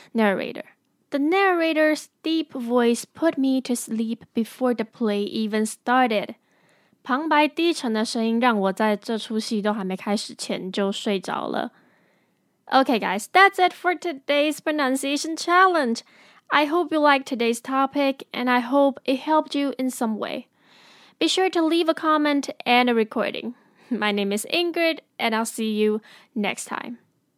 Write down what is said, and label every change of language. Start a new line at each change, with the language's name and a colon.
English: Narrator The narrator's deep voice put me to sleep before the play even started.
Chinese: 旁白低沉的声音让我在这出戏都还没开始前就睡着了。
English: Okay, guys, that's it for today's pronunciation challenge. I hope you liked today's topic, and I hope it helped you in some way. Be sure to leave a comment and a recording. My name is Ingrid, and I'll see you next time.